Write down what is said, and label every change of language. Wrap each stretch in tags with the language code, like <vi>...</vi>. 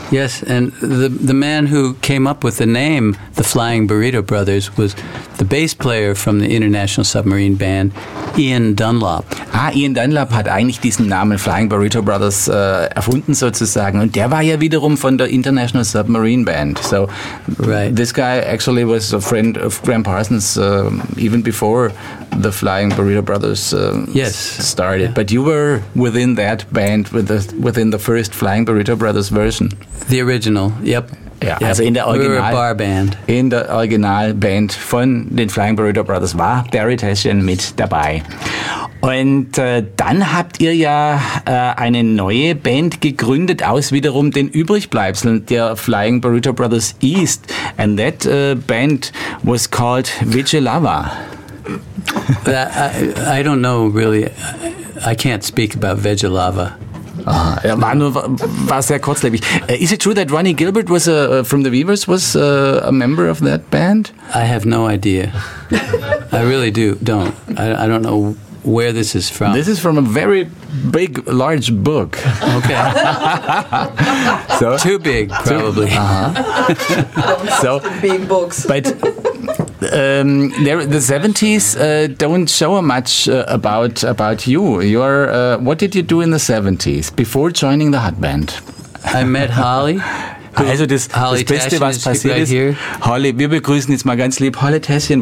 <en>Yes, and the man who came up with the name, the Flying Burrito Brothers, was the bass player from the International Submarine Band, Ian Dunlop.</en> <de>Ah, Ian Dunlop hat eigentlich diesen Namen Flying Burrito Brothers erfunden sozusagen, und der war ja wiederum von der International Submarine Band.</de> <en>So, right. This guy actually was a friend of Gram Parsons even before the Flying Burrito Brothers started. Yeah. But you were within that band within the first Flying Burrito Brothers version. The original, yep.</en> <de>Ja, yep. Also in der Original,</de> <en>we were a bar band.</en> <de>In der Originalband von den Flying Burrito Brothers war Barry Tashian mit dabei. Und dann habt ihr ja eine neue Band gegründet aus wiederum den Übrigbleibseln der Flying Burrito Brothers East.</de> <en>And that band was called Vigilava. I don't know really. I can't speak about Vigilava.</en> <de>Ah, ja, war sehr kurzlebig.</de> <en>Is it true that Ronnie Gilbert was from the Weavers was a member of that band? I have no idea. I really don't. I don't know where this is from. This is from a very big, large book. Okay. So, too big, probably. Uh-huh. So, big books. But the 70s don't show much about you. You're what did you do in the 70s before joining the Hot Band? I met Holly.</en> <de>Also Holly, das Beste, was passiert</de> <en>right here.</en> <de>Holly, wir begrüßen jetzt mal ganz lieb Holly Tashian.</de>